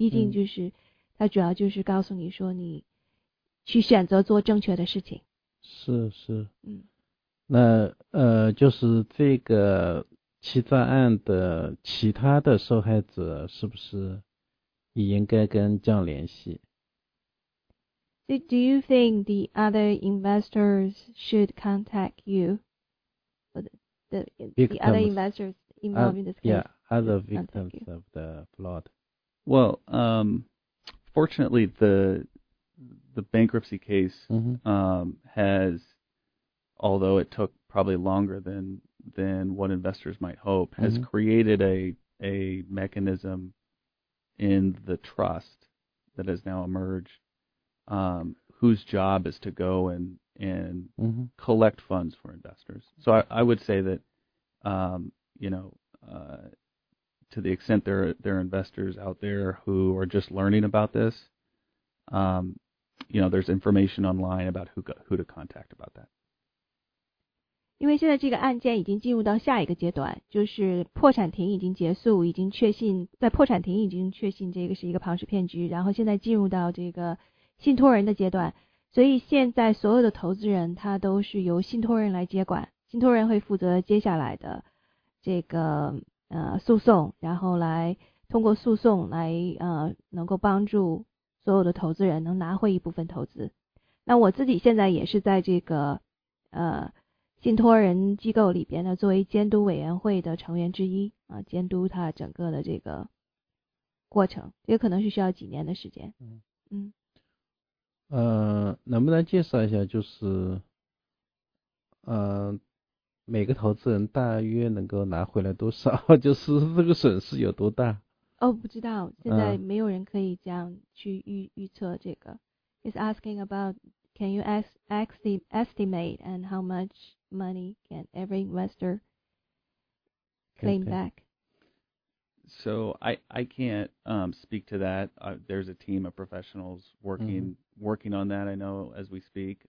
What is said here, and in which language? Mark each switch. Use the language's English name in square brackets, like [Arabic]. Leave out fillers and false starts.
[Chinese] 毕竟就是他主要就是告诉你说你去选择做正确的事情。是是，嗯，那就是这个欺诈案的其他的受害者是不是也应该跟酱联系 [English] ？So do you think the other investors should contact you? The other investors involved in this case? Yeah, other victims of the fraud. Well, fortunately the bankruptcy case, mm-hmm. Has, although it took probably longer than what investors might hope, has mm-hmm. created a mechanism in the trust that has now emerged, whose job is to go and mm-hmm. collect funds for investors. So I would say that, you know, to the extent there are investors out there who are just learning about this, you know, there's information online about who to contact about that. [Chinese] 因为现在这个案件已经进入到下一个阶段，就是破产庭已经结束，已经确信在破产庭已经确信这个是一个庞氏骗局，然后现在进入到这个信托人的阶段，所以现在所有的投资人他都是由信托人来接管，信托人会负责接下来的这个诉讼，然后来通过诉讼来能够帮助所有的投资人能拿回一部分投资。那我自己现在也是在这个信托人机构里边呢，作为监督委员会的成员之一啊，监督他整个的这个过程，也可能是需要几年的时间。能不能介绍一下，就是每个投资人大约能够拿回来多少，就是这个损失有多大？哦，不知道，现在没有人可以这样去预测这个。 [English] It's asking about, can you estimate and how much money can every investor claim back? So I can't speak to that. There's a team of professionals working on that, I know, as we speak.